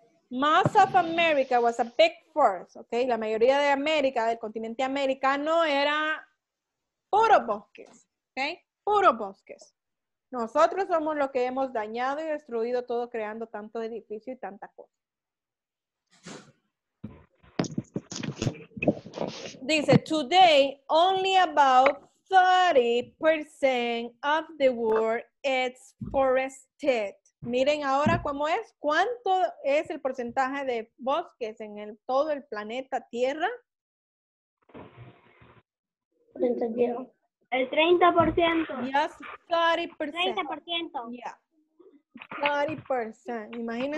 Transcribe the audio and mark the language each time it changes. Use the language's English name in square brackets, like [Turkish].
[English] Most of America was a big forest, okay? [Spanish] La mayoría de América, del continente americano, era puro bosques, okay? Puro bosques. Nosotros somos los que hemos dañado y destruido todo, creando tanto edificio y tanta cosa. [English] Dice, today, only about 30% of the world is forested. [Spanish] Miren ahora cómo es. ¿Cuánto es el porcentaje de bosques en el, todo el planeta Tierra? El 30%. [English] Yes, 30%. 30%. Yeah. 30%. Imagínate.